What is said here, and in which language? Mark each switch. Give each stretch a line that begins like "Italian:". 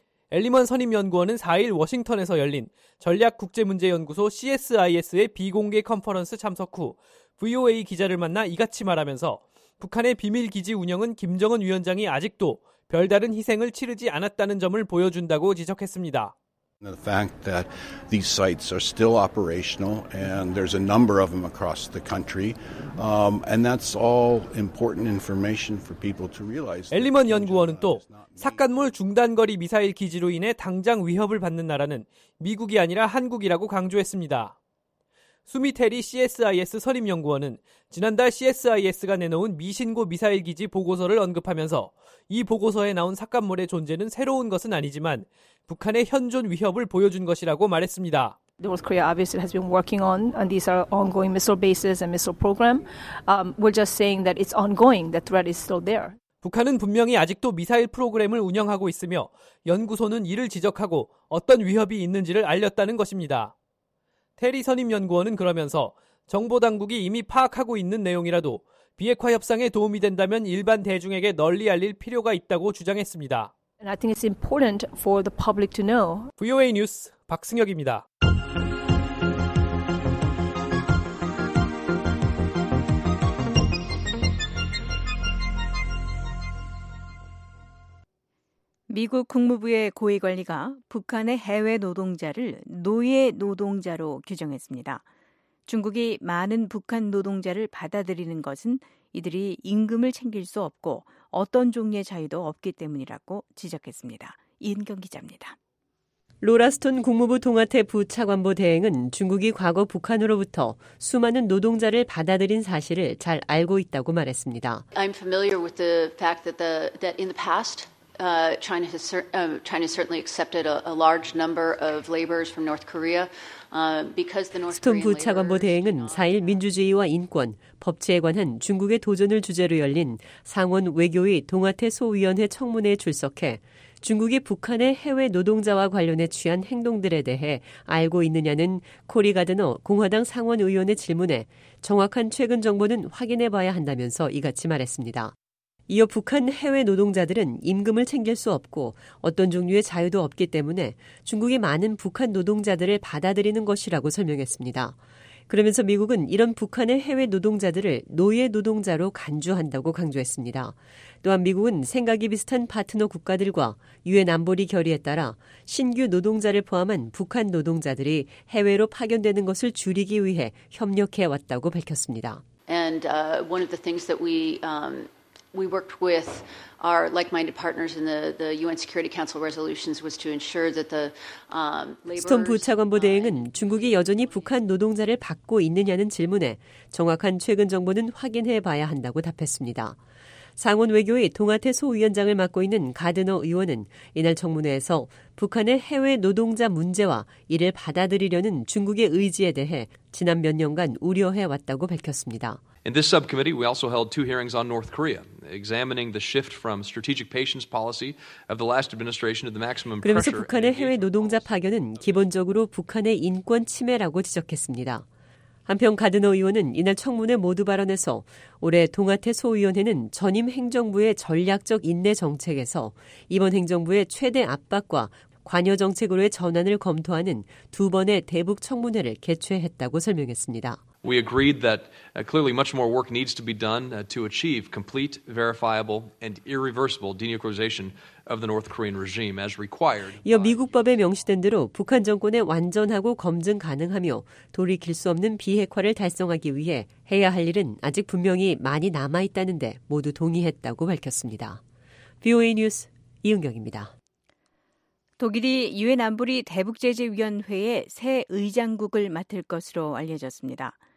Korean: 엘리먼 선임연구원은 4일 워싱턴에서 열린 전략국제문제연구소 CSIS의 비공개 컨퍼런스 참석 후 VOA 기자를 만나 이같이 말하면서 북한의 비밀기지 운영은 김정은 위원장이 아직도 별다른 희생을 치르지 않았다는 점을 보여준다고 지적했습니다.
English: The fact that these sites are still operational and there's a number of them across the country, and that's all important information for people to realize.
Korean: 엘리먼 연구원은 또 삭간몰 중단거리 미사일 기지로 인해 당장 위협을 받는 나라는 미국이 아니라 한국이라고 강조했습니다. 수미테리 CSIS 선임 연구원은 지난달 CSIS가 내놓은 미신고 미사일 기지 보고서를 언급하면서 이 보고서에 나온 삭간몰의 존재는 새로운 것은 아니지만 북한의 현존 위협을 보여준 것이라고 말했습니다.
English: North Korea obviously has been working on and these are ongoing missile bases and missile program. We're just saying that it's ongoing. The threat is still there.
Korean: 북한은 분명히 아직도 미사일 프로그램을 운영하고 있으며 연구소는 이를 지적하고 어떤 위협이 있는지를 알렸다는 것입니다. 테리 선임연구원은 그러면서 정보당국이 이미 파악하고 있는 내용이라도 비핵화 협상에 도움이 된다면 일반 대중에게 널리 알릴 필요가 있다고 주장했습니다.
English: And I think it's important for the public to know.
Korean: VOA 뉴스 박승혁입니다. 미국 국무부의 고위 관리가 북한의 해외 노동자를 노예 노동자로 규정했습니다. 중국이 많은 북한 노동자를 받아들이는 것은 이들이 임금을 챙길 수 없고 어떤 종류의 자유도 없기 때문이라고 지적했습니다. 이은경 기자입니다. 로라스톤 국무부 통화태 부차관보 대행은 중국이 과거 북한으로부터 수많은 노동자를 받아들인 사실을 잘 알고 있다고 말했습니다.
English: I'm familiar with the fact that in the past China certainly accepted a large number of laborers from North Korea.
Korean: 스톤 부차관보 대행은 4일 민주주의와 인권, 법치에 관한 중국의 도전을 주제로 열린 상원 외교위 동아태 소위원회 청문회에 출석해 중국이 북한의 해외 노동자와 관련해 취한 행동들에 대해 알고 있느냐는 코리 가드너 공화당 상원의원의 질문에 정확한 최근 정보는 확인해봐야 한다면서 이같이 말했습니다. 이어 북한 해외 노동자들은 임금을 챙길 수 없고 어떤 종류의 자유도 없기 때문에 중국이 많은 북한 노동자들을 받아들이는 것이라고 설명했습니다. 그러면서 미국은 이런 북한의 해외 노동자들을 노예 노동자로 간주한다고 강조했습니다. 또한 미국은 생각이 비슷한 파트너 국가들과 유엔 안보리 결의에 따라 신규 노동자를 포함한 북한 노동자들이 해외로 파견되는 것을 줄이기 위해 협력해 왔다고 밝혔습니다.
English: And one of the things that we We worked with our like-minded partners in the UN Security Council resolutions was to ensure that the labor.
Korean: 스톰 부차관보 대행은 중국이 여전히 북한 노동자를 받고 있느냐는 질문에 정확한 최근 정보는 확인해 봐야 한다고 답했습니다. 상원 외교의 동아태 소위원장을 맡고 있는 가드너 의원은 이날 청문회에서 북한의 해외 노동자 문제와 이를 받아들이려는 중국의 의지에 대해 지난 몇 년간 우려해 왔다고 밝혔습니다.
English: In this subcommittee, we also held two hearings on North Korea, examining the shift from strategic patience policy of the last administration to the maximum pressure.
Korean: 그러면서 북한의 해외 노동자 파견은 기본적으로 북한의 인권 침해라고 지적했습니다. 한편 가드너 의원은 이날 청문회 모두 발언에서 올해 동아태 소위원회는 전임 행정부의 전략적 인내 정책에서 이번 행정부의 최대 압박과 관여 정책으로의 전환을 검토하는 두 번의 대북 청문회를 개최했다고 설명했습니다.
English: We agreed that clearly much more work needs to be done to achieve complete, verifiable, and irreversible denuclearization of the North Korean regime as required.
Korean: 이어 미국 법에 명시된 대로 북한 정권의 완전하고 검증 가능하며 돌이킬 수 없는 비핵화를 달성하기 위해 해야 할 일은 아직 분명히 많이 남아 있다는데 모두 동의했다고 밝혔습니다. VOA 뉴스 이은경입니다. 독일이 유엔 안보리 대북제재위원회의 새 의장국을 맡을 것으로 알려졌습니다.